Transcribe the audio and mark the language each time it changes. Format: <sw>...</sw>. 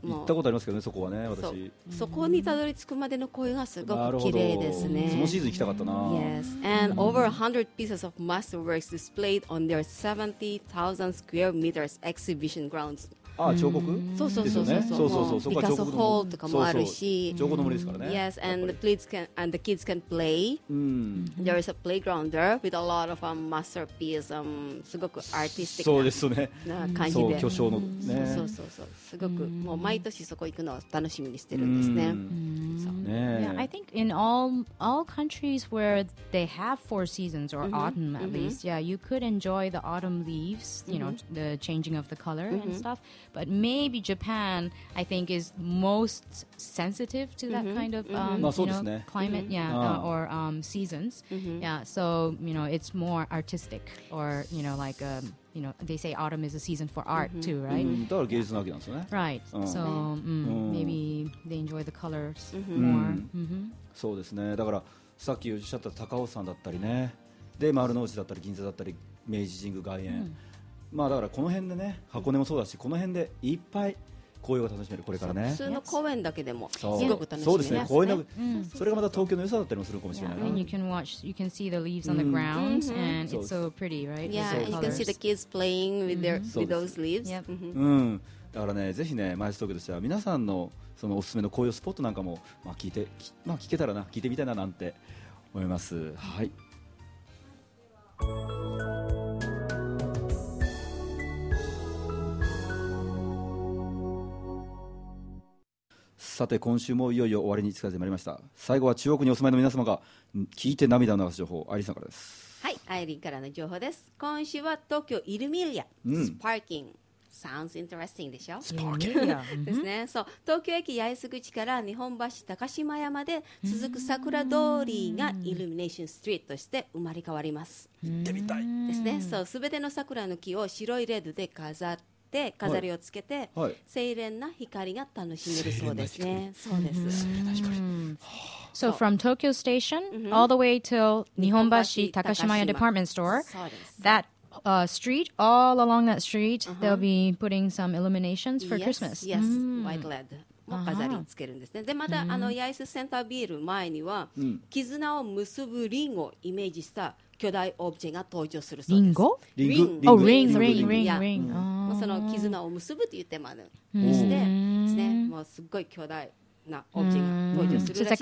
<ja>行ったことありますけどね、そこはね、私。そこにたどり着くまでの声がすごく綺麗ですね。そのシーズン行きたかったな。</ja> <en>Yes, and over 100 pieces of masterworks displayed on their 70,000 square meters exhibition grounds.</en> <ja>ああ、彫刻？そうそうそうそうそうそう。ピカソホールとかもあるし。彫刻の森ですからね。</ja> <en>Yes, and the kids can play. There is a playground there with a lot of masterpieces.</en> <ja>すごくアーティスティックな感じで。そうですね。そう、巨匠のね。そうそうそう。すごくもう毎年そこ行くのを楽しみにしてるんですね。</ja> <en>Yeah, I think in all countries where they have four seasons or mm-hmm, autumn at mm-hmm. least, yeah, you could enjoy the autumn leaves, you mm-hmm. know, the changing of the color mm-hmm. and stuff. But maybe Japan, I think, is most sensitive to that mm-hmm. kind of mm-hmm. you know, climate, mm-hmm. yeah, or seasons. Mm-hmm. Yeah, so you know, it's more artistic, or you know, like you know, they say autumn is a season for art mm-hmm. too, right? Mm-hmm.</en> <ja>だから芸術の秋なんですね。</ja> <en>Right. So maybe they enjoy the colors mm-hmm. more. Mm-hmm. Mm-hmm.</en> <ja>そうですね。だからさっきおっしゃった高尾山だったりね、で丸の内だったり銀座だったり明治神宮外苑、mm-hmm. まあ、だからこの辺でね、箱根もそうだし、この辺でいっぱい紅葉が楽しめる。これからね、普通の公園だけでもすごく楽しめます。そうですね、公園の、それがまた東京の良さだったりもするかもしれないな。</ja> <en>I mean, you can watch, you can see the leaves on the ground and it's so pretty, right? Yeah, you can see the kids playing with, their, with those leaves.</en> <ja>だからね、ぜひね、マイス東京としては皆さんの、そのおすすめの紅葉スポットなんかも、まあ 聞けたらな、聞いてみたいななんて思います。はい、さて今週もいよいよ終わりに近づいてまいりました。最後は中央区にお住まいの皆様が聞いて涙を流す情報、アイリンさんからです。はい、アイリンからの情報です。今週は東京イルミリア、スパーキング Sounds interesting でしょ。スパーキングですね。そう、東京駅八重洲口から日本橋高島屋まで続く桜通りがイルミネーションストリートとして生まれ変わります。行ってみたいですね。そう、全ての桜の木を白いレッドで飾ってで飾りをつけて、はいはい、清廉な光が楽しめるそうですね。そうです。清廉な光。</ja> <en>So from Tokyo Station all the way till 日本橋高島屋 Department Store, that street all along that street they'll be putting some illuminations for Christmas.</en> <ja>Yes, white LED も飾りつけるんですね。でまた、あの八重洲センタービル前には、絆を結ぶリンゴをイメージした巨大オブジェが登場するそうです。リンゴ？リンゴ。リンゴ。リンゴ。リンゴ。その絆を結ぶというテーマでしてですね、もうすごい巨大なオブジェが登場するらしい。</ja>